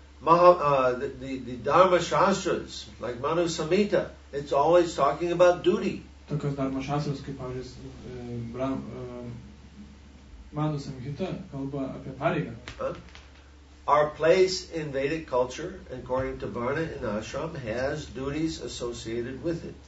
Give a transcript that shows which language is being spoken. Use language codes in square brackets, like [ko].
[en] The Dharma Shastras, like Manu Samhita, it's always talking about duty. [lt] Tokios Dharma Shastras, kaip pavyzdžiui, Manu Samhita, kalba apie pareigą. [en] Our place in Vedic culture, according to Varna in Ashram, has duties associated with it.